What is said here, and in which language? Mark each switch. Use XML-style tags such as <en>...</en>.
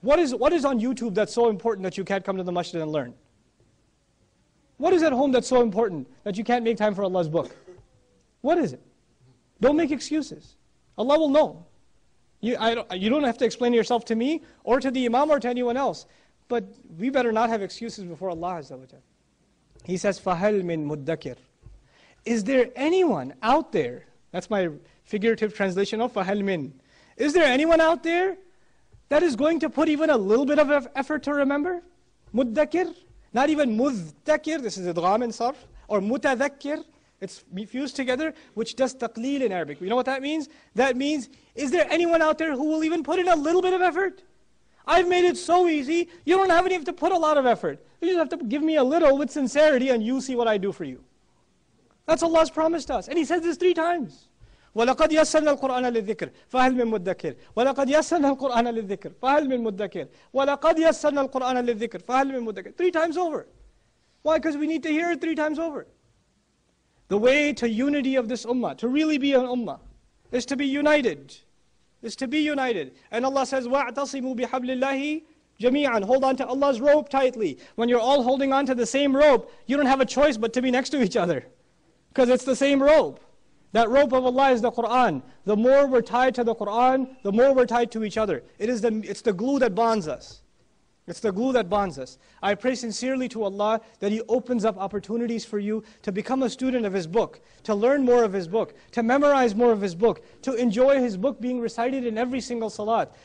<en>What is on YouTube that's so important that you can't come to the masjid and learn? What is at home that's so important that you can't make time for Allah's book? What is it? Don't make excuses. Allah will know. You don't have to explain yourself to me or to the imam or to anyone else. But we better not have excuses before Allah Azza wa Jalla. He says,</en> <ar>فَهَلْ مِن مُدَّكِرٍ.</ar> <en>Is there anyone out there? That's my figurative translation of</en> <ar>فَهَلْ مِن.</ar> <en>Is there anyone out there that is going to put even a little bit of effort to remember?</en> <ar>مُدَّكِر.</ar> <en>Not even مُذْتَكِر. This is إِدْغَامِ صَرْف. Or مُتَذَكِّر. It's fused together, which does taqleel in Arabic. You know what that means? That means, is there anyone out there who will even put in a little bit of effort? I've made it so easy, you don't even have to put a lot of effort. You just have to give me a little with sincerity and you see what I do for you. That's Allah's promised us. And He says this 3 times.</en> <ar>وَلَقَدْ يَسَّلْنَا الْقُرْآنَ لِلذِّكْرِ فَهَلْ مِن مُدَّكِرِ وَلَقَدْ يَسَّلْنَا الْقُرْآنَ لِلذِّكْرِ فَهَلْ مِن مُدَّكِرِ وَلَقَدْ يَسَّلْنَا الْقُرْآنَ لِلذِّكْرِ فَهَلْ مِن مُدَّكِرِ</ar> <en>3 times over. Why? Because we need to hear it 3 times over. The way to unity of this ummah, to really be an ummah, is to be united. Is to be united. And Allah says,</en> <ar>وَاعْتَصِمُوا بِحَبْلِ اللَّهِ جَمِيعًا.</ar> <en>Hold on to Allah's rope tightly. When you're all holding on to the same rope, you don't have a choice but to be next to each other. Because it's the same rope. That rope of Allah is the Qur'an. The more we're tied to the Qur'an, the more we're tied to each other. It's the glue that bonds us. It's the glue that bonds us. I pray sincerely to Allah that He opens up opportunities for you to become a student of His book, to learn more of His book, to memorize more of His book, to enjoy His book being recited in every single salat.</en>